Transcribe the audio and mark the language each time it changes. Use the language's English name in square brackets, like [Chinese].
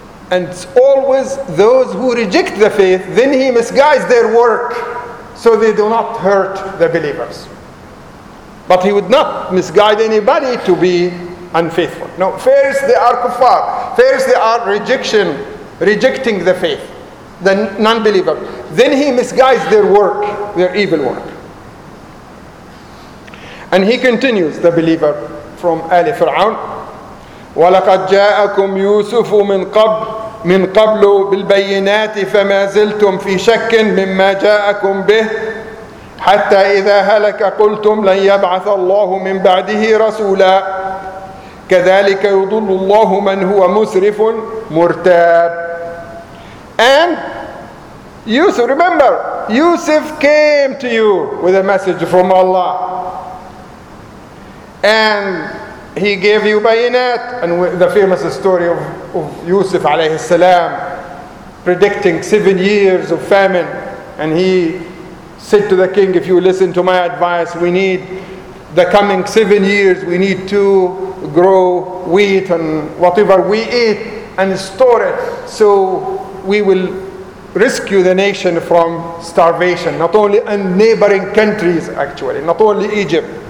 [English] And it's always those who reject the faith, then He misguides their work so they do not hurt the believers. But He would not misguide anybody to be unfaithful. No, first they are kuffar. First they are rejecting the faith, the non-believer. Then He misguides their work, their evil work. And He continues, the believer from Ali Fir'aun, [Arabic] وَلَقَدْ جَاءَكُمْ يُوسُفُ مِنْ قَبْلُ بِالْبَيِّنَاتِ فَمَا زِلْتُمْ فِي شَكٍّ مِمَّا جَاءَكُمْ بِهِ حَتَّى إِذَا هَلَكَ قُلْتُمْ لَنْ يَبْعَثَ اللَّهُ مِنْ بَعْدِهِ رَسُولًا كَذَلِكَ يُضُلُّ اللَّهُ مَنْ هُوَ مُسْرِفٌ مُرْتَابٌ. [English] And Yusuf, remember, Yusuf came to you with a message from Allah. And He gave you bayinat, and the famous story of Yusuf alayhi salam predicting 7 years of famine, and he said to the king, if you listen to my advice, we need the coming 7 years, we need to grow wheat and whatever we eat and store it, so we will rescue the nation from starvation, not only in neighboring countries, actually not only Egypt.